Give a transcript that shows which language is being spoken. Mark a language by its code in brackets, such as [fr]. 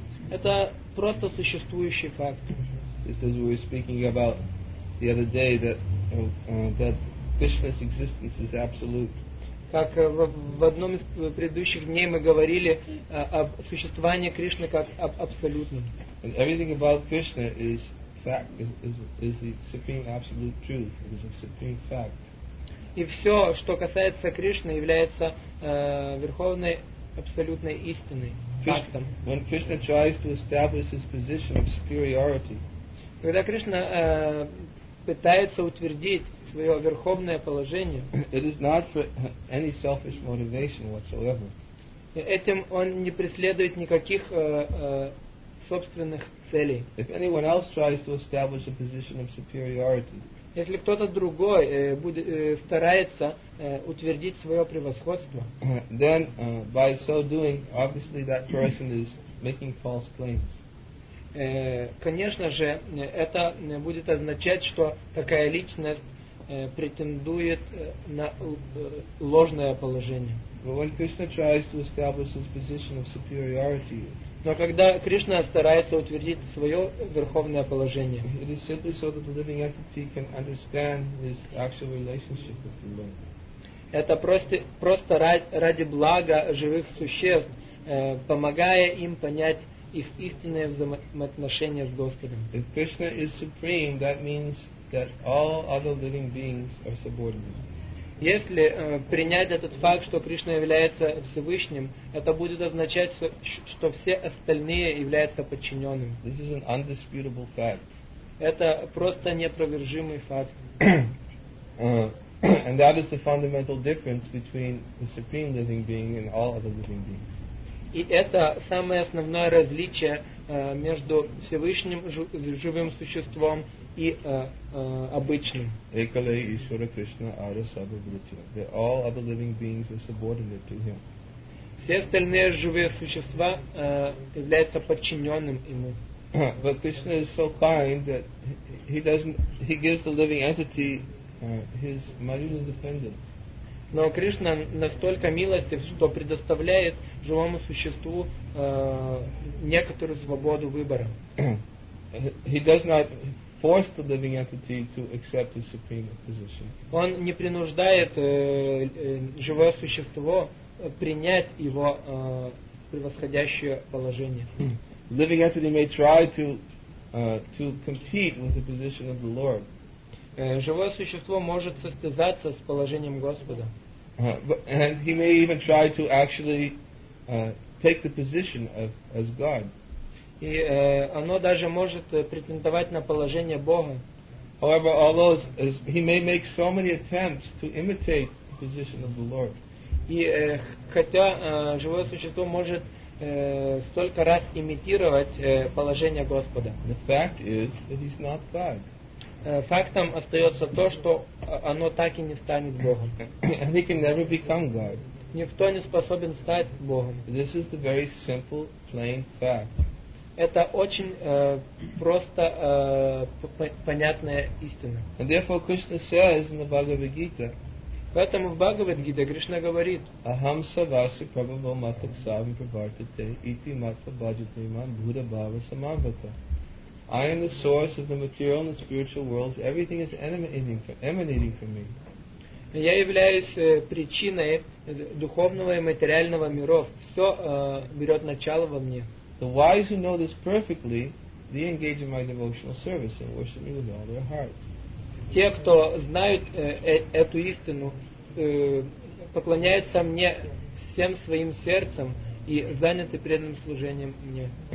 [ru] Это просто существующий факт. [en] Just as we were speaking about the other day, that that Krishna's existence is absolute. [ru] Как в одном из предыдущих дней мы говорили об существовании Кришны как об абсолютном. [en] And everything about Krishna is fact, is the supreme absolute truth, is a supreme fact. [ru] И все, что касается Кришны, является верховной абсолютной истиной. [en] When Krishna tries to establish his position of superiority, [ru] когда Кришна пытается утвердить свое верховное положение, [en] it is not for any selfish motivation whatsoever. [ru] Этим он не преследует никаких собственных целей. [en] If anyone else tries to establish a position of superiority, [ru] если кто-то другой старается утвердить свое превосходство, [en] then by so doing, obviously that person is making false claims. [ru] Конечно же, это будет означать, что такая личность претендует на ложное положение. [en] But when Krishna tries to establish his position of superiority, [ru] но когда Кришна старается утвердить свое верховное положение, [en] it is simply so that the living entity can understand his actual relationship with the Lord. [ru] Это просто ради блага живых существ, помогая им понять их истинное взаимоотношение с Господом. [en] If Krishna is supreme, that means that all other living beings are subordinate. [ru] Если принять этот факт, что Кришна является Всевышним, это будет означать, что все остальные являются подчиненным. [en] This is an undisputable fact. [ru] Это просто неопровержимый факт. [en] And that is the fundamental difference between the supreme living being and all other living beings. [ru] И это самое основное различие между Всевышним живым существом и обычным. [bn] Ekale Ishvara Krishna Ara Sabhavritya. [en] They're all other living beings are subordinate to him. [ru] Все остальные живые существа являются подчиненным ему. [en] But Krishna is so kind that he gives the living entity his material independence. [ru] Но Кришна настолько милостив, что предоставляет живому существу некоторую свободу выбора. [en] He does not force the living entity to accept the supreme position. [ru] Он не принуждает живое существо принять его превосходящее положение. [en] Living entity may try to compete with the position of the Lord. [ru] Живое существо может состязаться с положением Господа. [en] And he may even try to actually take the position of as God. [ru] И оно даже может претендовать на положение Бога. [en] However, although he may make so many attempts to imitate the position of the Lord. [ru] И хотя живое существо может столько раз имитировать положение Господа. [en] The fact is that he's not God. [ru] Фактом остается то, что оно так и не станет Богом. [en] And he can never become God. [ru] Никто не способен стать Богом. [en] This is the very simple, plain fact. [ru] Это очень просто понятная истина. [en] And therefore Krishna says in the Bhagavad Gita. [ru] Поэтому в Бхагавад Гите Кришна говорит: [sa] Aham savasi prabhavo mataksavam pravartate iti matva bhajate imam bhuta bhava samavata. [en] I am the source of the material and the spiritual worlds. Everything is emanating from me. [ru] Я являюсь причиной духовного и материального миров. Все берет начало во мне. [en] The wise who know this perfectly, they engage in my devotional service and worship me with all their hearts. [ru] Те, кто знают эту истину, поклоняются мне всем своим сердцем и заняты преданным служением мне.